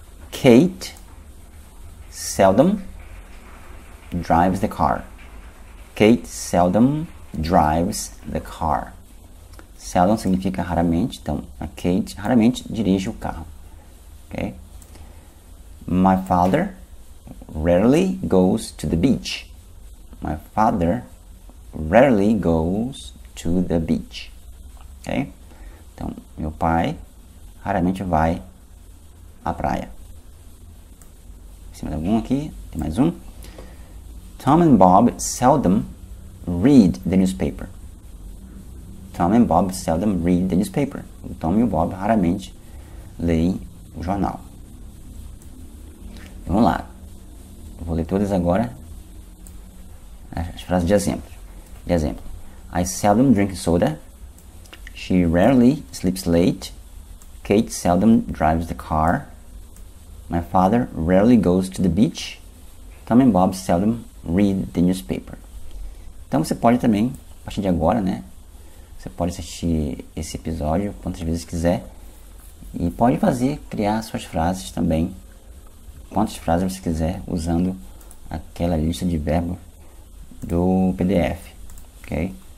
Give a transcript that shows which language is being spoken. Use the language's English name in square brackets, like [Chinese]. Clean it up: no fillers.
[English] Kate seldom drives the car. Kate seldom drives the car. [Portuguese] Seldom significa raramente. Então, a Kate raramente dirige o carro. Ok? [English] My father rarely goes to the beach. My father rarely goes to the beach. [Portuguese] Ok? Então, meu pai raramente vai à praia. Tem mais algum aqui? Tem mais um? [English] Tom and Bob seldom read the newspaper. Tom and Bob seldom read the newspaper. [Portuguese] O Tom e o Bob raramente leem o jornal. Então, vamos lá. Vou ler todas agora as frases de exemplo. De exemplo. [English] I seldom drink soda. She rarely sleeps late. Kate seldom drives the car. My father rarely goes to the beach. Tom and Bob seldom read the newspaper. [Portuguese] Então você pode também, a partir de agora, né? Você pode assistir esse episódio quantas vezes quiser. E pode fazer, criar suas frases também. Quantas frases você quiser usando aquela lista de verbos do PDF, ok?